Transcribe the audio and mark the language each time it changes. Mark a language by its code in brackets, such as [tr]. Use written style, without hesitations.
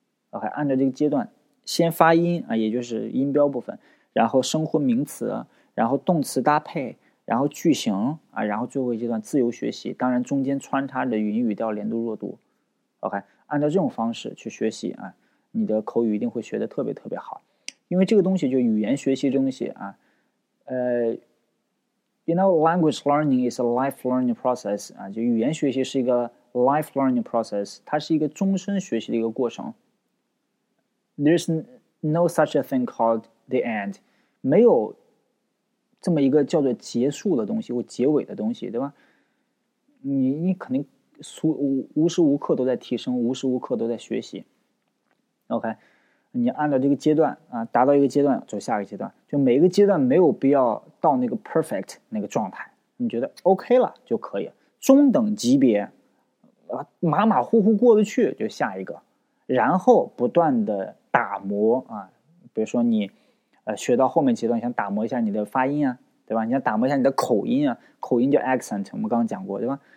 [zh] OK， 按照这个阶段，先发音啊，也就是音标部分，然后生活名词，然后动词搭配，然后句型啊，然后最后一阶段自由学习，当然中间穿插着语音语调连读弱读。 OK。按照这种方式去学习啊，你的口语一定会学得特别特别好。因为这个东西就语言学习东西啊， [en] You know, language learning is a life learning process. [zh] 啊，就语言学习是一个 life learning process. 它是一个终身学习的一个过程。 [en] There's no such a thing called the end. [zh] 没有这么一个叫做结束的东西或结尾的东西，对吧？你肯定无时无刻都在提升，无时无刻都在学习。 OK， 你按照这个阶段啊，达到一个阶段走下一个阶段，就每一个阶段没有必要到那个 perfect 那个状态，你觉得 OK 了就可以，中等级别啊，马马虎虎过得去就下一个，然后不断的打磨啊，比如说你学到后面阶段想打磨一下你的发音啊，对吧？你想打磨一下你的口音啊，口音叫 accent， 我们刚刚讲过，对吧？